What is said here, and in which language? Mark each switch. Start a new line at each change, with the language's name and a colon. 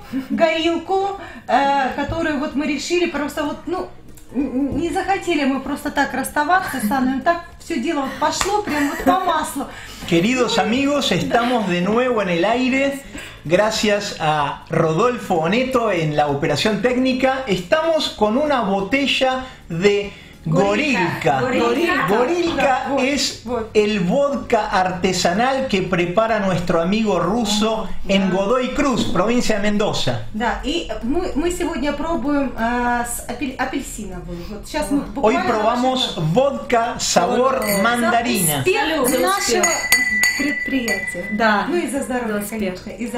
Russian: Горилку, которую вот мы решили просто вот, ну, не захотели мы просто так расставаться с Анной, так все дело вот пошло прям вот по маслу.
Spanish: Queridos amigos, estamos de nuevo en el aire, gracias a Rodolfo Oneto en la operación técnica, estamos con una botella de Gorilka. Gorilka es el vodka artesanal que prepara nuestro amigo ruso en Godoy Cruz, provincia de Mendoza.
Russian: Да, и мы сегодня пробуем с апельсиновым.
Spanish: Hoy probamos vodka sabor mandarina. Salud.
Russian: Нашего предприятия. Да. Ну и за здоровье, конечно, и за